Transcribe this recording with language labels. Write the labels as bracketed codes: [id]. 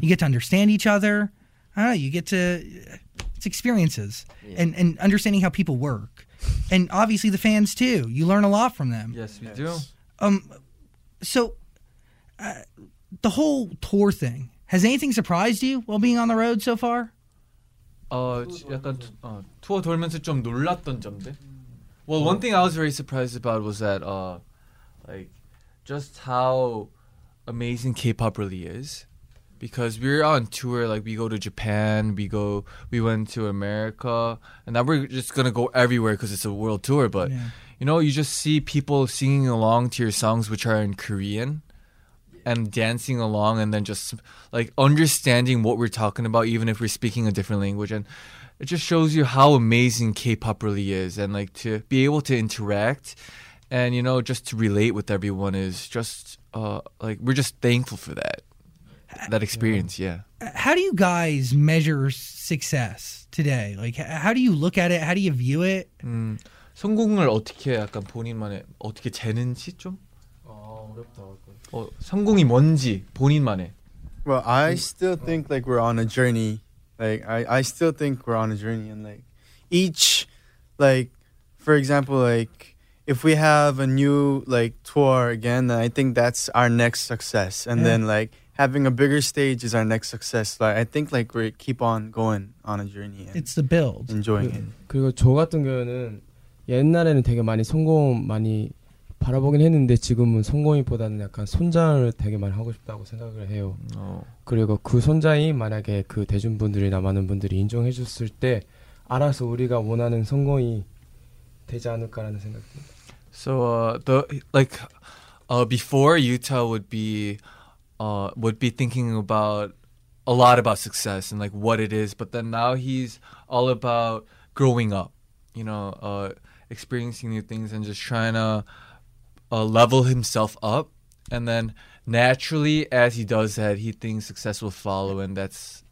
[en] You get to understand each other. It's experiences. Yeah. And understanding how people work. And obviously the fans too. You learn a lot from them. Yes, we do. So the whole tour thing, has anything surprised you while being on the road so far? [ko] 약간 투어 돌면서 좀 놀랐던 점들. [en] Well, one thing I was very surprised about was that just how amazing K-pop really is. Because we're on tour, like we go to Japan, we went to America, and now we're just gonna go everywhere because it's a world tour. But yeah, you know, you just see people singing along to your songs, which are in Korean, and dancing along, and then just like understanding what we're talking about, even if we're speaking a different language. And it just shows you how amazing K-pop really is, and like to be able to interact and, you know, just to relate with everyone is just like we're just thankful for that that experience. Yeah. How do you guys measure success today? Like, how do you look at it? How do you view it? [ko] 성공을 어떻게 약간 본인만의 어떻게 재는지 좀 어렵다. 성공이 뭔지 본인만의. [en] Well, I still think like we're on a journey. Like, I still think we're on a journey, and like each, like, for example, like if we have a new like tour again, then I think that's our next success. And then like having a bigger stage is our next success. Like, I think like we keep on going on a journey. It's the build. Enjoying [ko] 그리고 저 같은 경우는 옛날에는 되게 많이 성공 많이 바라보긴 했는데 지금은 성공이보다는 약간 손장을 되게 많이 하고 싶다고 생각을 해요. 그리고 그 손장이 만약에 그 대중분들이나 많은 분들이 인정해 줬을 때 알아서 우리가 원하는 성공이 되지 않을까라는 생각입니다. [en] So the like before Utah would be thinking about a lot about success and like what it is, but then now he's all about growing up, you know, experiencing new things and just trying to level himself up, and then naturally as he does that, he thinks success will follow, and that's